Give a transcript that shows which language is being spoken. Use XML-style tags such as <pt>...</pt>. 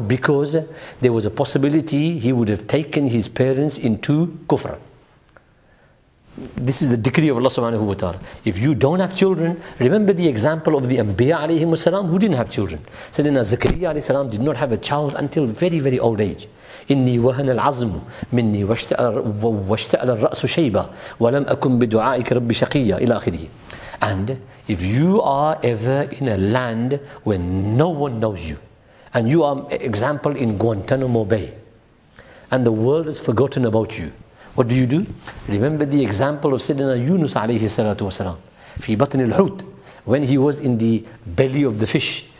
<en>Because there was a possibility he would have taken his parents into kufr. This is the decree of Allah Subhanahu wa Ta'ala. If you don't have children, remember the example of the Anbiya alayhi salam who didn't have children. Sayyidina Zakariya alayhi salam did not have a child until very, very old age.</en> <ar>إني وهن العظم مني واشتعل الرأس شيبة ولم أكن بدعائك ربي شقيا إلى آخره.</ar> <en>And if you are ever in a land where no one knows you, and you are example in Guantanamo Bay, and the world has forgotten about you, what do you do? Remember the example of Sayyidina Yunus alayhi salatu wasalam</en> <ar>في بطن الحوت,</ar> <en>when he was in the belly of the fish.</en>